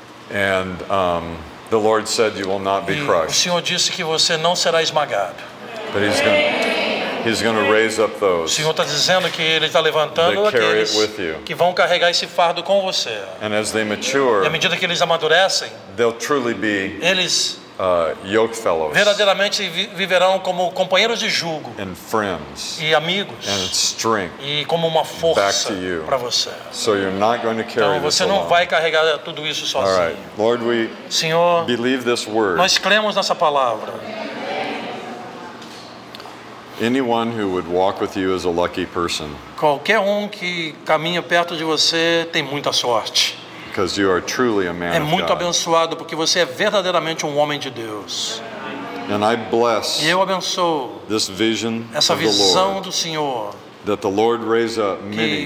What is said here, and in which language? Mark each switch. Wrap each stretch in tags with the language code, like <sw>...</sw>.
<en>And the Lord said you will not be</en> <pt>e</pt> <en>crushed.</en> <pt>O Senhor disse que você não será esmagado.</pt> <en>But He's going to raise up those.</en> <pt>O Senhor está dizendo que ele está levantando aqueles que vão carregar esse fardo com você.</pt> <en>And as they mature,</en> <pt>e à medida que eles amadurecem,</pt> <en>they'll truly be</en> <pt>eles</pt> <en>yoke fellows,</en> <pt>verdadeiramente viverão como companheiros de jugo,</pt> <en>and friends,</en> <pt>e amigos,</pt> <en>and strength,</en> <pt>e como uma força</pt> <en>back to you,</en> <pt>para você.</pt> <en>So you're not going to carry</en> <pt>então você não</pt> <en>alone.</en> <pt>Vai carregar tudo isso sozinho.</pt> <en>All right. Lord, we</en> <pt>Senhor,</pt> <en>believe this word.</en> <pt>Nós cremos nessa palavra.</pt> <en>Anyone who would walk with you is a lucky person.</en> <pt>Qualquer um que caminha perto de você tem muita sorte.</pt> <en>Because you are truly a man</en> <pt>é muito</pt> <en>of God.</en> <pt>Abençoado porque você é verdadeiramente um homem de Deus.</pt> <en>And I bless</en> <pt>e eu abençoo</pt> <en>this vision</en> <pt>essa visão</pt> <en>of the Lord,</en> <pt>do Senhor.</pt> <en>That the Lord raise up many,</en>